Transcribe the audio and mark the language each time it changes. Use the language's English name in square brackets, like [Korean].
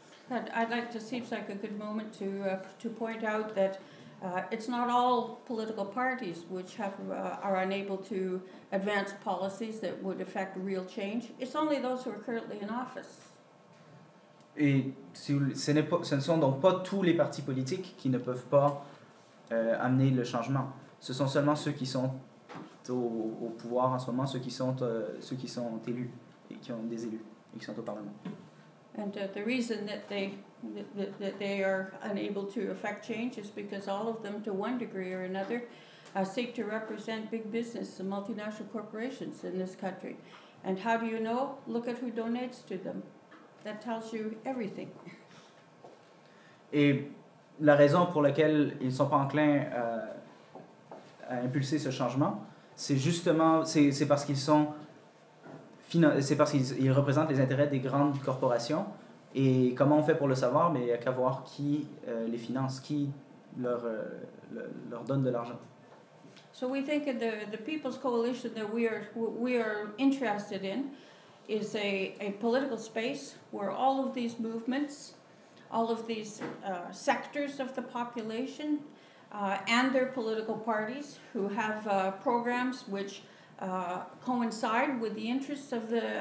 [English] I'd like to see if it's a good moment to point out that it's not all political parties which are unable to advance policies that would affect real change. It's only those who are currently in office. [French] Et ce ne sont donc pas tous les partis politiques qui ne peuvent pas amener le changement. Ce sont seulement ceux qui sont au pouvoir en ce moment, ceux qui sont élus et qui ont des élus et qui sont au Parlement. [English] And the reason that they are unable to affect change is because all of them, to one degree or another, seek to represent big business and multinational corporations in this country. And how do you know? Look at who donates to them. That tells you everything. [French] Et la raison pour laquelle ils sont pas enclins à impulser ce changement, c'est parce qu'ils représentent les intérêts des grandes corporations. Et comment on fait pour le savoir? Mais il n'y a qu'à voir qui les finance, qui leur donne de l'argent. [English] So we think the People's Coalition that we are interested in is a political space where all of these movements, all of these sectors of the population, and their political parties who have programs which coincide with the interests of